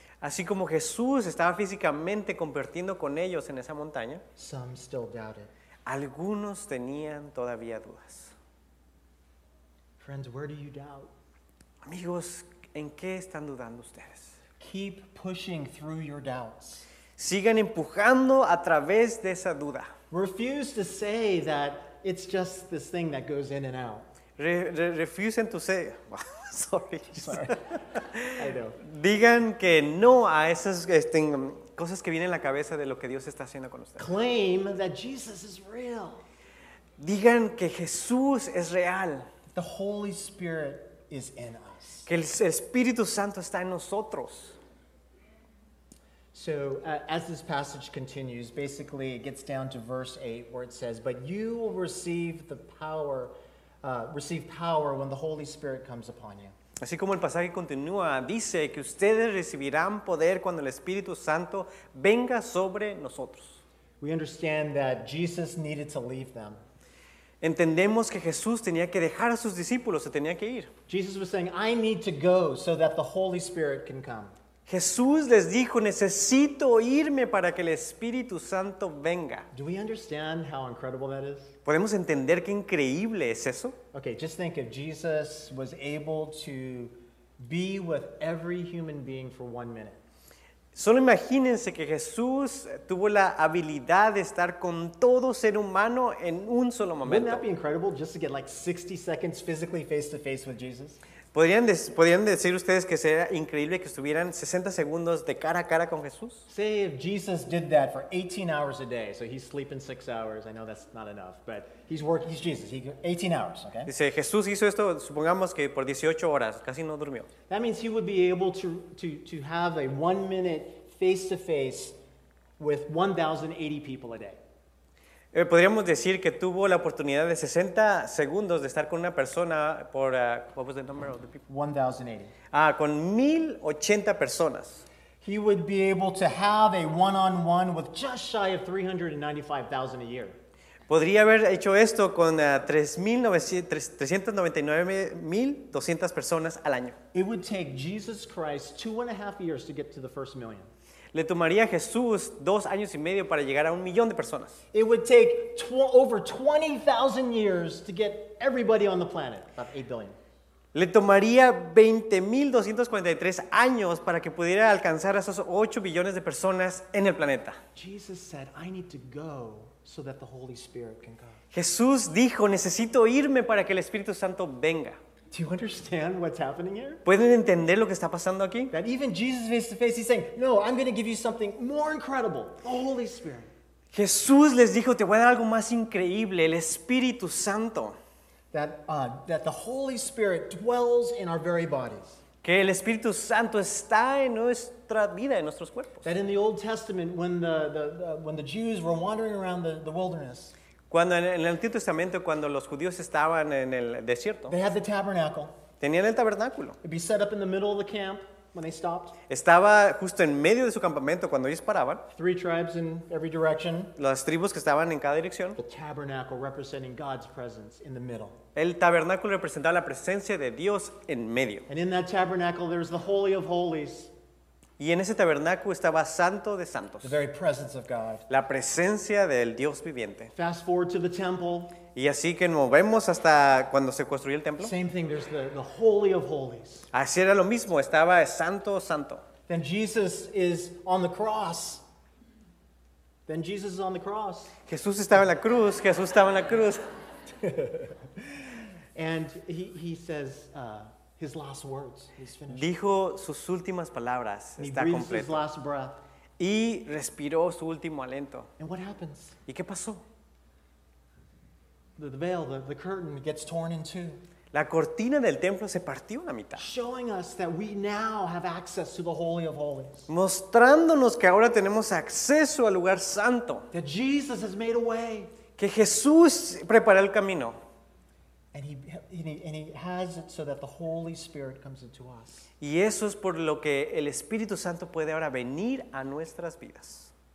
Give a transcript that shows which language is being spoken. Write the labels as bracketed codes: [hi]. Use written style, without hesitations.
[es] Así como Jesús estaba físicamente compartiendo con ellos en esa montaña. [en] Some still doubted. [es] Algunos tenían todavía dudas. [en] Friends, where do you doubt? [es] Amigos, ¿en qué están dudando ustedes? [en] Keep pushing through your doubts. [es] Sigan empujando a través de esa duda. [en] Refuse to say that it's just this thing that goes in and out. Refusen to say, sorry. Sorry, I know. [es] Digan que no a esas cosas que vienen en la cabeza de lo que Dios está haciendo con ustedes. [en] Claim that Jesus is real. [es] Digan que Jesús es real. [en] The Holy Spirit is in us. [es] Que el Espíritu Santo está en nosotros. [en] So, as this passage continues, basically it gets down to verse 8 where it says, but you will receive the power, receive power when the Holy Spirit comes upon you. [es] Así como el pasaje continúa, dice que ustedes recibirán poder cuando el Espíritu Santo venga sobre nosotros. [en] We understand that Jesus needed to leave them. [es] Entendemos que Jesús tenía que dejar a sus discípulos, se tenía que ir. [en] Jesus was saying, I need to go so that the Holy Spirit can come. [es] Jesús les dijo, necesito irme para que el Espíritu Santo venga. [en] Do we understand how incredible that is? [es] ¿Podemos entender qué increíble es eso? [en] Okay, just think if Jesus was able to be with every human being for 1 minute. [es] Solo imagínense que Jesús tuvo la habilidad de estar con todo ser humano en un solo momento. [en] Wouldn't that be incredible just to get like 60 seconds physically face to face with Jesus? [es] ¿Podrían decir ustedes que sería increíble que estuvieran 60 segundos de cara a cara con Jesús? [en] Say if Jesus did that for 18 hours a day, so he's sleeping 6 hours. I know that's not enough, but he's Jesus. He 18 hours, okay? [es] Dice, Jesús hizo esto, supongamos que por 18 horas, casi no durmió. [en] That means he would be able to have a 1 minute face-to-face with 1,080 people a day. [es] Podríamos decir que tuvo la oportunidad de 60 segundos de estar con una persona por, [en] what was the number of the people? 1,080. [es] Con 1,080 personas. [en] He would be able to have a one-on-one with just shy of 395,000 a year. [es] Podría haber hecho esto con 399,200 personas al año. [en] It would take Jesus Christ 2.5 years to get to the first million. [es] Le tomaría a Jesús 2 años y medio para llegar a 1 millón de personas. [en] It would take over 20,000 years to get everybody on the planet, about 8 billion. [es] Le tomaría 20,243 años para que pudiera alcanzar a esos 8 billones de personas en el planeta. [en] Jesus said, I need to go so that the Holy Spirit can come. [es] Jesús dijo, necesito irme para que el Espíritu Santo venga. [en] Do you understand what's happening here? [es] ¿Pueden entender lo que está pasando aquí? [en] That even Jesus face to face, he's saying, no, I'm going to give you something more incredible, the Holy Spirit. [es] Jesús les dijo, te voy a dar algo más increíble, el Espíritu Santo. [en] That the Holy Spirit dwells in our very bodies. [es] Que el Espíritu Santo está en nuestra vida, en nuestros cuerpos. [en] That in the Old Testament, when the Jews were wandering around the wilderness, [es] cuando en el Antiguo Testamento, cuando los judíos estaban en el desierto, [en] they had the tabernacle. [es] Tenían el tabernáculo. [en] It'd be set up in the middle of the camp when they stopped. [es] Estaba justo en medio de su campamento cuando ellos paraban. [en] 3 tribes in every direction. [es] Las tribus que estaban en cada dirección. [en] The tabernacle representing God's presence in the middle. [es] El tabernáculo representaba la presencia de Dios en medio. [en] And in that tabernacle, there's the Holy of Holies. [es] Y en ese tabernáculo estaba Santo de Santos. [en] The very presence of God. [es] La presencia del Dios viviente. [en] Fast forward to the temple. [es] Y así que nos vemos hasta cuando se construyó el templo. [en] Same thing, there's the Holy of Holies. [es] Así era lo mismo, estaba Santo, Santo. [en] Then Jesus is on the cross. Then Jesus is on the cross. [es] Jesús estaba en la cruz, Jesús estaba en la cruz. [en] And he says his last words, he's finished. [es] Dijo sus últimas palabras, está completo. [en] He breathed his last breath. [es] Y respiró su último aliento. [en] And what happens? [es] ¿Y qué pasó? [en] The veil, the curtain gets torn in two. [es] La cortina del templo se partió en la mitad. [en] Showing us that we now have access to the Holy of Holies. [es] Mostrándonos que ahora tenemos acceso al lugar santo. [en] That Jesus has made a way. [es] Que Jesús preparó el camino. [en] And he has it so that the Holy Spirit comes into us. [es] Y eso es por lo que el Espíritu Santo puede ahora venir a nuestras vidas.